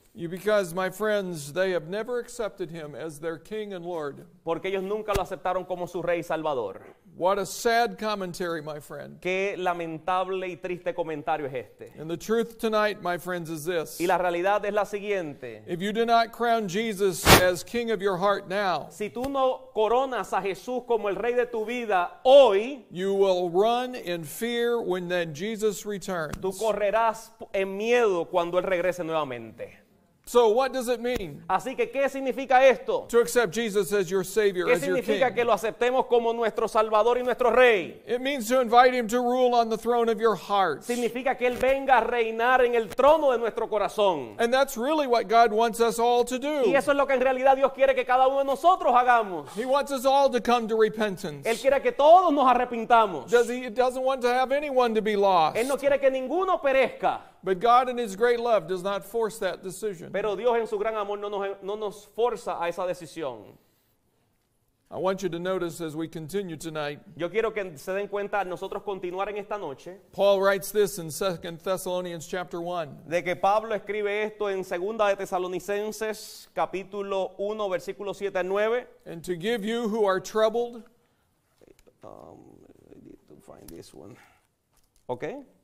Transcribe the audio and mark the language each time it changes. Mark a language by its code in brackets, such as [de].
[en] Because, my friends, they have never accepted him as their king and lord. [es] Porque ellos nunca lo aceptaron como su rey y salvador. [en] What a sad commentary, my friend. [es] Qué lamentable y triste comentario es este. [en] And the truth tonight, my friends, is this. [es] Y la realidad es la siguiente. [en] If you do not crown Jesus as king of your heart now, [es] si tú no coronas a Jesús como el rey de tu vida hoy, [en] you will run in fear when then Jesus returns. [es] Tú correrás en miedo cuando él regrese nuevamente. [en] So what does it mean? [es] Así que, ¿qué significa esto? [en] To accept Jesus as your Savior, [es] ¿qué [en] as your King. [es] Que lo aceptemos como nuestro Salvador y nuestro Rey? [en] It means to invite Him to rule on the throne of your heart. [es] Significa que Él venga a reinar en el trono de nuestro corazón. [en] And that's really what God wants us all to do. [es] Y eso es lo que en realidad Dios quiere que cada uno de nosotros hagamos. [en] He wants us all to come to repentance. [es] Él quiere que todos nos arrepintamos. [en] He doesn't want to have anyone to be lost. [es] Él no quiere que ninguno perezca. [en] But God in His great love does not force that decision. [es] Pero Dios en su gran amor no nos forza a esa decisión. [en] I want you to notice as we continue tonight. [es] Yo quiero que se den cuenta nosotros continuar en esta noche. [en] Paul writes this in 2 Thessalonians chapter 1. [es] De que Pablo escribe esto en 2 de Tesalonicenses capítulo 1 versículo 7 al 9. [en] And to give you who are troubled. I need to find this one. Okay.